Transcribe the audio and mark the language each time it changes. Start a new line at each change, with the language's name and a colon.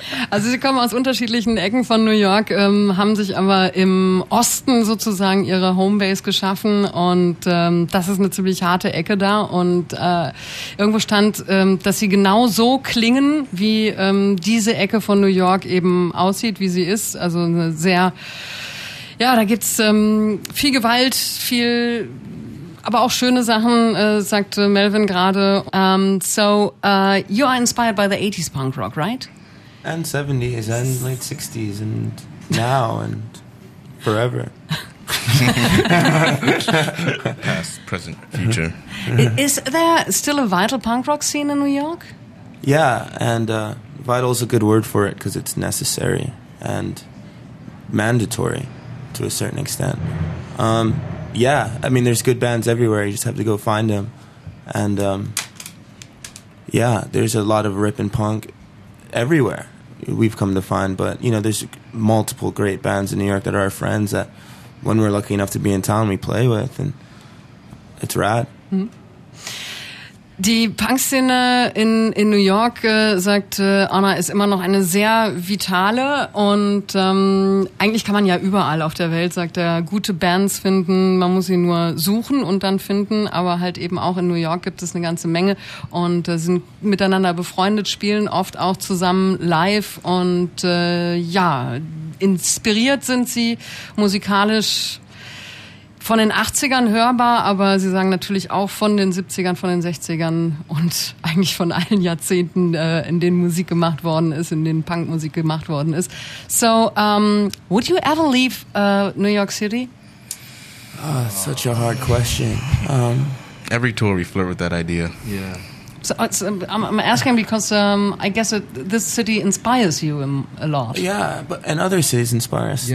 German: Also sie kommen aus unterschiedlichen Ecken von New York, haben sich aber im Osten sozusagen ihre Homebase geschaffen, und das ist eine ziemlich harte Ecke da, und irgendwo stand, dass sie genau so klingen, wie diese Ecke von New York eben aussieht, wie sie ist. Also eine sehr, ja, da gibt's viel Gewalt, viel, aber auch schöne Sachen, sagte Melvin gerade.
English: You are inspired by the 80s punk rock, right? And 70s and late 60s and now and forever. Past, present, future. Is there still a vital punk rock scene in New York? Yeah, and vital is a good word for it, because it's necessary and mandatory to a certain extent. There's good bands everywhere. You just have to go find them. And there's a lot of ripping punk everywhere. We've come to find, but there's multiple great bands in New York that are our friends that when we're lucky enough to be in town, we play with, and it's rad. Mm-hmm.
German: Die Punk-Szene in New York, sagt Anna, ist immer noch eine sehr vitale und eigentlich kann man ja überall auf der Welt, sagt er, gute Bands finden, man muss sie nur suchen und dann finden, aber halt eben auch in New York gibt es eine ganze Menge und sind miteinander befreundet, spielen oft auch zusammen live und ja, inspiriert sind sie musikalisch. Von den 80ern hörbar, aber sie sagen natürlich auch von den 70ern, von den 60ern und eigentlich von allen Jahrzehnten, in denen Musik gemacht worden ist, in denen Punkmusik gemacht worden ist.
English: So, would you ever leave New York City? Such a hard question. Every tour we flirt with that idea. Yeah. So I'm asking because I guess this city inspires you a lot. Yeah, but and other cities inspire us too.